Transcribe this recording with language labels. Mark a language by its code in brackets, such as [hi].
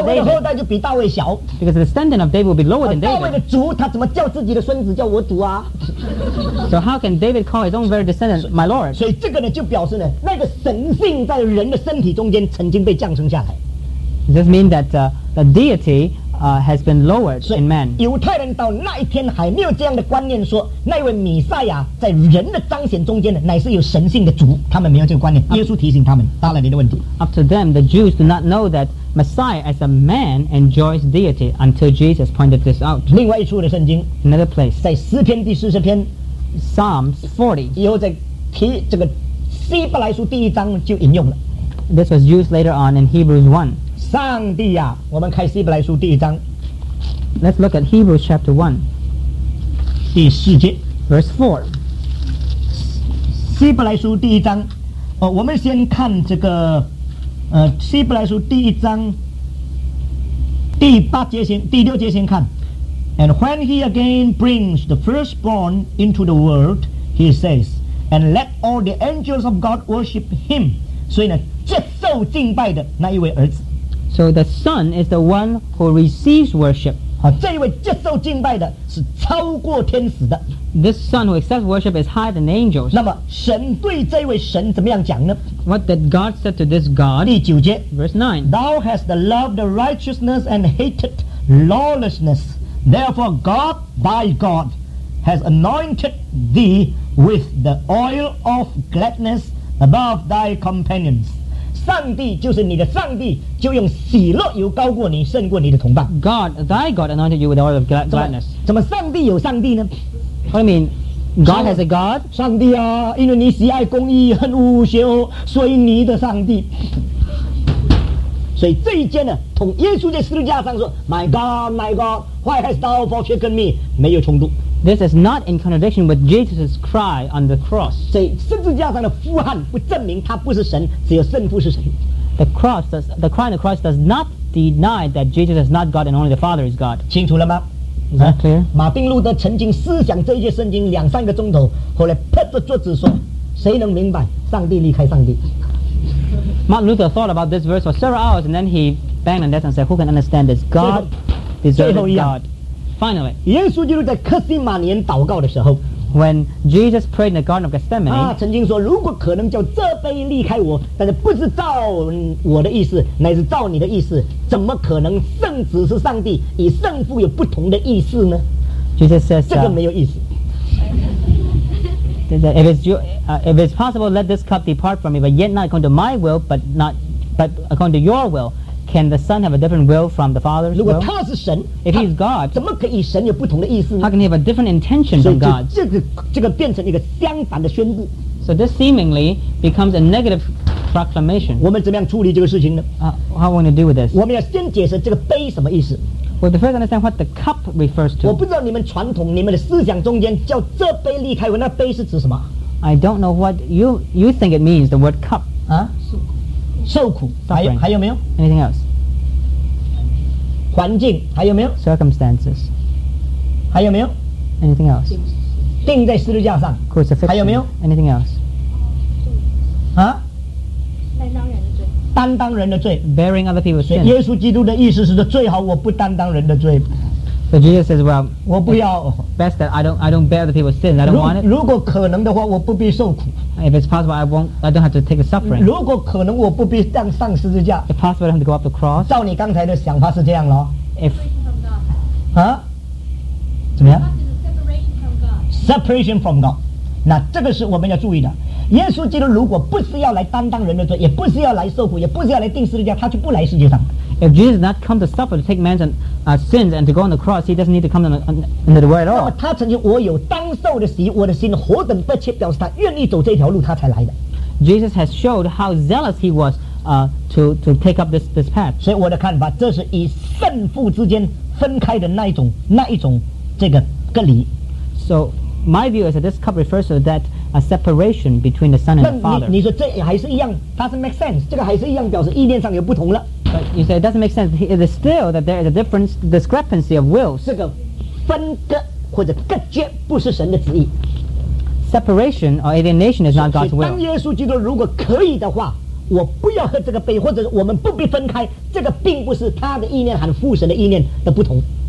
[zh] 大卫的后代就比大卫小。 [en] Because the descendant of David will be lower than David. [zh] 大卫的主他怎么叫自己的孙子叫我主啊？ [en] So how can David call his own very descendant my Lord? [zh] 所以这个呢就表示呢，那个神性在人的身体中间曾经被降生下来。 [en] Does this mean that the deityhas been lowered in man. [zh] 犹太人到那一天还没有这样的观念，说那位弥赛亚在人的彰显中间乃是有神性的主，他们没有这个观念。耶稣提醒他们答了你的问题。 [en] Up to them, the Jews do not know that Messiah as a man enjoys deity until Jesus pointed this out. [zh] 另外一处的圣经， [en] Another place, [zh] 在诗篇第四十篇， [en] Psalms 40, [zh] 以后在提这个希伯来书第一章就引用了。 [en] This was used later on in Hebrews 1. [zh] 上帝啊，我们开希伯来书第一章。 [en] Let's look at Hebrews chapter 1. [zh] 第四节。 [en] Verse 4. [zh] 希伯来书第一章。我们先看这个希伯来书第一章。第八节先，第六节先看。 [en] And when he again brings the firstborn into the world, he says, And let all the angels of God worship him. [zh] 所以呢，接受敬拜的那一位儿子。 [en] So the son is the one who receives worship. [zh] 好，这一位接受敬拜的是超过天使的。 [en] This son who accepts worship is higher than angels. [zh] 那么神对这位神怎么样讲呢？ [en] What did God said to this God? [zh] 第九节 [en] Verse 9 Thou hast loved righteousness and hated lawlessness. Therefore God thy God has anointed thee with the oil of gladness above thy companions. [zh] 上帝就是你的上帝，就用喜乐油高过你，胜过你的同伴。 [en] God thy God anointed you with the oil of gladness. [zh] 怎么上帝有上帝呢？ [en] What do you mean? God has a God? [zh] 上帝啊，因为你喜爱公义，恨恶邪恶，所以你的上帝。所以这一件呢，同耶稣在十字架上说 [en] My God, my God, why hast thou forsaken me? [zh] 没有冲突。 [en] This is not in contradiction with Jesus' cry on the cross. [zh] 所以十字架上的呼喊不证明他不是神，只有圣父是神。 [en] The cry on the cross does not deny that Jesus is not God and only the Father is God. [zh] 清楚了吗？ [en] Is that clear? [zh] 马丁路德曾经思想这一节圣经两三个钟头，后来拍着桌子说：“谁能明白上帝离开上帝？” [en] Martin Luther thought about this verse for several hours, and then he banged on the desk and said, "Who can understand this? God deserves God." Finally, [zh] 耶稣基督在克西马尼祷告的时候 [en] ，When Jesus prayed in the Garden of Gethsemane, [zh] 曾经说：“如果可能叫这杯离开我，但是不是照我的意思，乃是照你的意思。” 怎么可能圣子是上帝，与圣父有不同的意思呢？ [en] Jesus says, [zh] 这个没有意思。 [en] If it's possible, let this cup depart from me, but yet not according to my will, but according to your will. Can the Son have a different will from the Father's will? [zh] 如果他是神， [en] if he is God, [zh] 怎么可以神有不同的意思呢？ [en] How can he have a different intention from God? [zh] 这个变成一个相反的宣布。 [en] So this seemingly becomes a negative proclamation. [zh] 我们怎么样处理这个事情呢？ [en] How are we going to do with this? [zh] 我们要先解释这个杯什么意思。 [en] Well, the first understand what the cup refers to. [zh] 我不知道你们传统，你们的思想中间叫这杯离开我，那杯是指什么？ [en] I don't know what you think it means, the word cup. [zh] 啊？受苦。还有没有？ [en] Anything else? [zh] 环境，还有没有？ [en] Circumstances. [zh] 还有没有？ [en] Anything else? [zh] 钉在十字架上。 [en] Crucifixion. [zh] 还有没有？ [en] Anything else? [zh] 啊？担当人的罪 [en] bearing other people's sin. [zh] 耶稣基督的意思是说最好我不担当人的罪。 [en] So Jesus says, well, [zh] 我不要 [en] best that I don't bear other people's sin. I don't want it. [zh] 如果可能的话我不必受苦。 [en] If it's possible, I don't have to take a suffering. [zh] 如果可能我不必上十字架。 [en] If possible, I don't have to go up the cross. [zh] 照你刚才的想法是这样咯。 [en] If [zh] 啊？怎么样？ [en] Separation from God. [zh] 那这个是我们要注意的。耶稣基督如果不是要来担当人的罪，也不是要来受苦，也不是要来钉十字架，他就不来世界上。 [en] If Jesus did not come to suffer to take man's sins and to go on the cross, he doesn't need to come into the world at all. [zh] 那么他曾经我有当受的喜，我的心何等迫切，表示他愿意走这条路，他才来的。 [en] Jesus has showed how zealous he was to take up this path. [zh] 所以我的看法，这是与圣父之间分开的那一种这个隔离。 [en] So my view is that this cup refers to that. A separation between the Son and the Father. [zh] 你说这还是一样 ， [en] doesn't make sense. [zh] 这个还是一样，表示意念上有不同了。 [en] But you say it doesn't make sense. It is still that there is a difference, discrepancy of wills. [zh] 这个分割或者隔绝不是神的旨意。 [en] Separation or alienation is not God's will. [zh] 当耶稣基督如果可以的话，我不要喝这个杯，或者我们不必分开。这个并不是他的意念和父神的意念的不同。